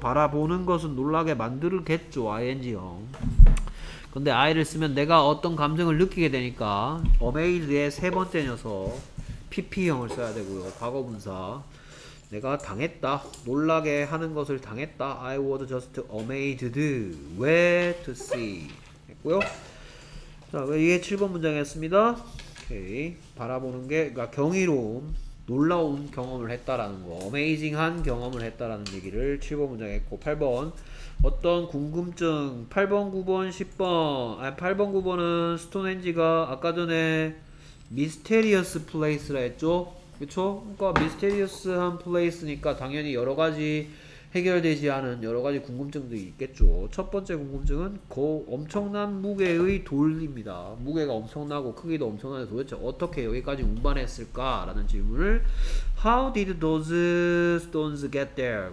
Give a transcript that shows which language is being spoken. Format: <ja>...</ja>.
<ko>바라보는 것은 놀라게 만들겠죠. ing형. 근데 I를 쓰면 내가 어떤 감정을 느끼게 되니까 amazed의 세 번째 녀석 PP형을 써야 되고요. 과거분사 내가 당했다. 놀라게 하는 것을 당했다.</ko> <en>I was just amazed where to see</en> <ko>했고요. 자, 이게 7번 문장이었습니다. 오케이. 바라보는 게 그러니까 경이로움, 놀라운 경험을 했다라는 거, amazing한 경험을 했다라는 얘기를 7번 문장에 했고, 8번 어떤 궁금증, 8번, 9번, 10번, 아니 8번, 9번은 스톤헨지가 아까 전에 mysterious place라 했죠? 그쵸? 그러니까 mysterious한 place니까 당연히 여러가지 해결되지 않은 여러가지 궁금증도 있겠죠. 첫 번째 궁금증은 그 엄청난 무게의 돌입니다. 무게가 엄청나고 크기도 엄청나서 도대체 어떻게 여기까지 운반했을까? 라는 질문을</ko> <en>How did those stones get there?</en>